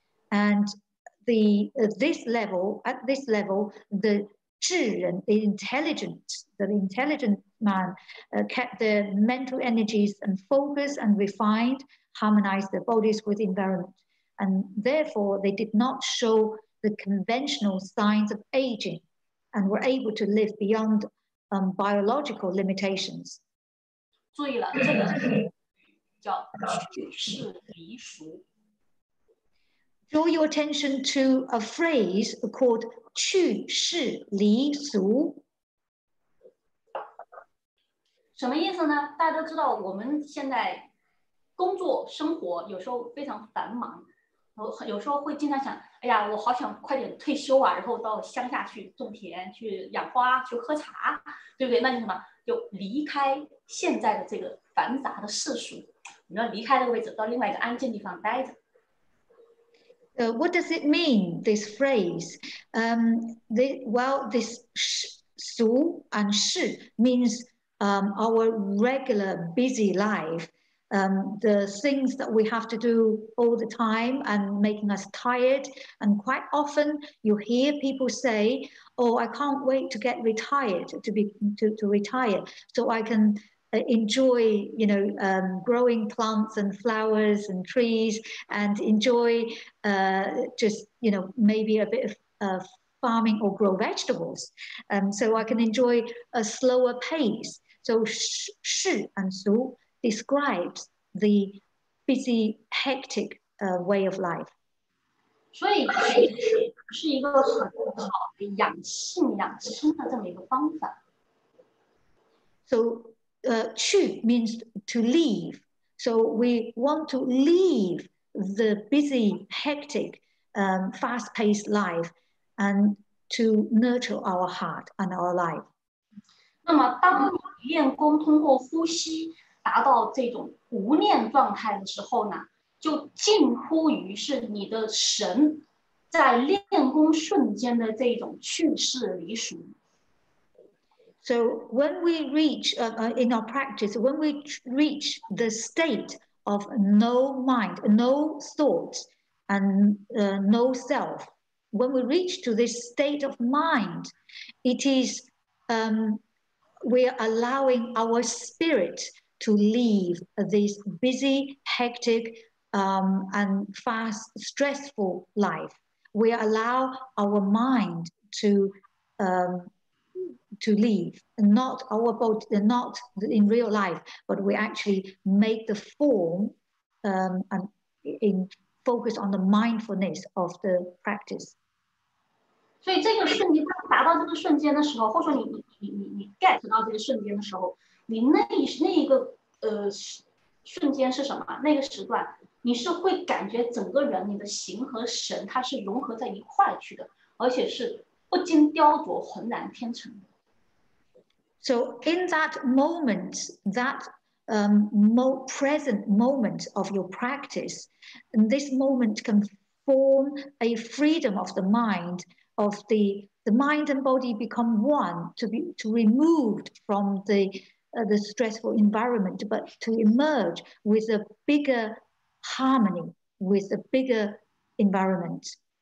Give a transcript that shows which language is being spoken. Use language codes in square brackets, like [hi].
[en] And at this level, the 智人, the intelligent man kept their mental energies and focus and refined, harmonized their bodies with environment. And therefore they did not show the conventional signs of aging, and were able to live beyond biological limitations. [zh] 注意了，这个叫去世离俗。 [en] Draw your attention to a phrase called 去世离俗。 [zh] 什么意思呢？大家都知道，我们现在工作生活有时候非常繁忙。有时候会经常想，哎呀，我好想快点退休啊，然后到乡下去种田，去养花，去喝茶，对不对？那就什么，就离开现在的这个繁杂的世俗，你要离开这个位置，到另外一个安静地方待着。 [en] What does it mean, this phrase? This 俗 and 世 means our regular busy life. The things that we have to do all the time and making us tired. And quite often you hear people say, oh, I can't wait to get retired, to retire, so I can enjoy, you know, growing plants and flowers and trees and enjoy just, you know, maybe a bit of farming or grow vegetables. So I can enjoy a slower pace. So 世 and 俗 describes the busy, hectic way of life. [zh] 所以禅学是一个很好的养性养心的这么一个方法。 [en] So, qu means to leave. So we want to leave the busy, hectic, fast-paced life and to nurture our heart and our life. [zh] 那么当你练功通过呼吸达到这种无念状态的时候呢，就近乎于是你的神在练功瞬间的这种去世离俗。 [en] So when we reach in our practice, when we reach the state of no mind, no thoughts, and no self, when we reach to this state of mind, it is we are allowing our spirit to leave this busy, hectic, and fast, stressful life. We allow our mind to leave, not our body, not in real life, but we actually make the form and in focus on the mindfulness of the practice. [zh] 所以这个瞬间，当达到这个瞬间的时候，或者你 get 到这个瞬间的时候，你那一个瞬间是什么？那个时段，你是会感觉整个人，你的形和神，它是融合在一块去的，而且是不经雕琢，浑然天成的。 [en] So in that moment, that present moment of your practice, in this moment can form a freedom of the mind, of the mind and body become one, to removed from the stressful environment, but to emerge with a bigger harmony, with a bigger environment.